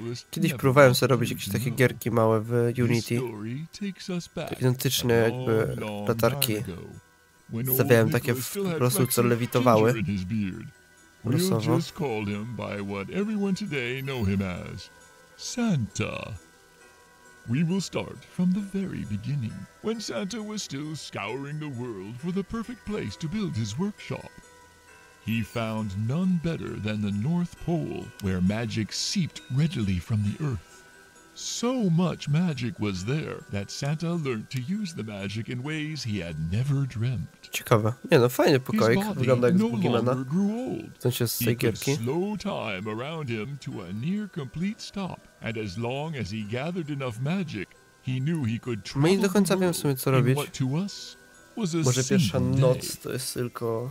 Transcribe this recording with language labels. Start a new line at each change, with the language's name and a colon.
Polish: Kiedyś próbowałem sobie robić jakieś takie gierki małe w Unity. Identyczne jakby latarki. Stawiałem takie w prostu, co lewitowały.
English: We'll just call him by what everyone today know him as, Santa. We will start from the very beginning, when Santa was still scouring the world for the perfect place to build his workshop. He found none better than the North Pole, where magic seeped readily from the earth. So much magic was there that Santa learned to use the magic in ways he had never dreamt.
Polish: Ciekawe. Nie no, fajny pokoik. Wygląda jak z Bugimana. W sensie z tej gierki.
English: Slow time around him to a near complete stop. And as long as he gathered enough magic, he knew he could travel.
Polish: My nie do końca wiem w sumie co robić. Może pierwsza noc to jest tylko